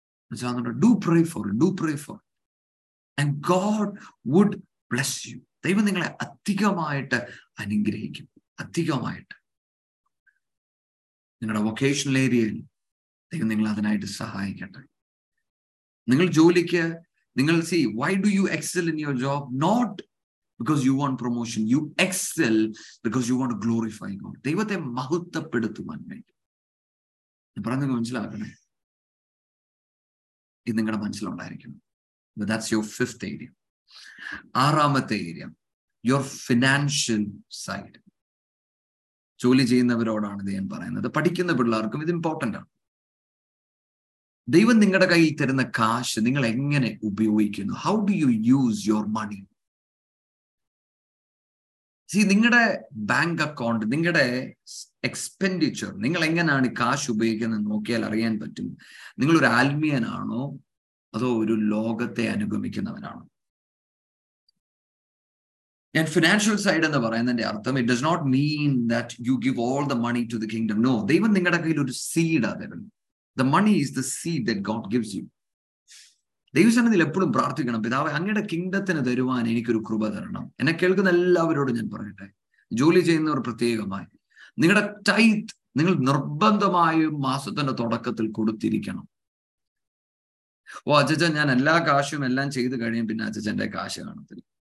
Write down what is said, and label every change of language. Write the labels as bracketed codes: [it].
[en] Do pray for it. And God would bless you. [ml] ദൈവം നിങ്ങളെ അധികമായിട്ട് അനുഗ്രഹിക്കും, അധികമായിട്ട്. നിങ്ങളുടെ വൊക്കേഷണൽ ഏരിയയിൽ ദൈവം നിങ്ങൾ അതിനായിട്ട് സഹായിക്കട്ടെ. നിങ്ങൾ ജോലിക്ക് നിങ്ങൾ [en] see, why do you excel in your job? Not because you want promotion. You excel because you want to glorify God. [ml] ദൈവത്തെ മഹത്വപ്പെടുത്തുവാൻ വേണ്ടി. ഞാൻ പറഞ്ഞു മനസ്സിലാക്കണേ. ഇത് നിങ്ങളുടെ മനസ്സിലുണ്ടായിരിക്കണം. [en] That's your fifth area. [ml] ആറാമത്തെ ഏരിയ, [en] your financial side. [ml] ജോലി ചെയ്യുന്നവരോടാണ് ഇത് ഞാൻ പറയുന്നത്. പഠിക്കുന്ന പിള്ളേർക്കും ഇത് ഇമ്പോർട്ടൻ്റ് ആണ്. ദൈവം നിങ്ങളുടെ കയ്യിൽ തരുന്ന കാശ് നിങ്ങൾ എങ്ങനെ ഉപയോഗിക്കുന്നു? [en] How do you use your money? [ml] See, നിങ്ങളുടെ ബാങ്ക് അക്കൗണ്ട്, നിങ്ങളുടെ എക്സ്പെൻഡിച്ചർ, നിങ്ങൾ എങ്ങനെയാണ് കാശ് ഉപയോഗിക്കുന്നത് നോക്കിയാൽ അറിയാൻ പറ്റും നിങ്ങൾ ഒരു ആത്മീയനാണോ അതോ ഒരു ലോകത്തെ അനുഗമിക്കുന്നവനാണോ. ഞാൻ ഫിനാൻഷ്യൽ സൈഡ് എന്ന് പറയുന്നതിന്റെ അർത്ഥം, [en] It does not mean that you give all the money to the kingdom. [ml] No, ദൈവം നിങ്ങളുടെ കയ്യിൽ ഒരു സീഡാണ് തരുന്നത്. [en] The money is the seed that God gives you. [ml] ദൈവസന്നിധിയിൽ എപ്പോഴും പ്രാർത്ഥിക്കണം, പിതാവേ അങ്ങയുടെ കിങ്ഡത്തിന് തരുവാൻ എനിക്കൊരു കൃപ തരണം. എന്നെ കേൾക്കുന്ന എല്ലാവരോടും ഞാൻ പറയട്ടെ, ജോലി ചെയ്യുന്നവർ പ്രത്യേകമായി, നിങ്ങളുടെ ടൈത്ത് നിങ്ങൾ നിർബന്ധമായും മാസത്തിന്റെ തുടക്കത്തിൽ കൊടുത്തിരിക്കണം. ഓ അജജൻ, ഞാൻ എല്ലാ കാശും എല്ലാം ചെയ്തു കഴിയും പിന്നെ അജജന്റെ കാശ് കാണത്തില്ല.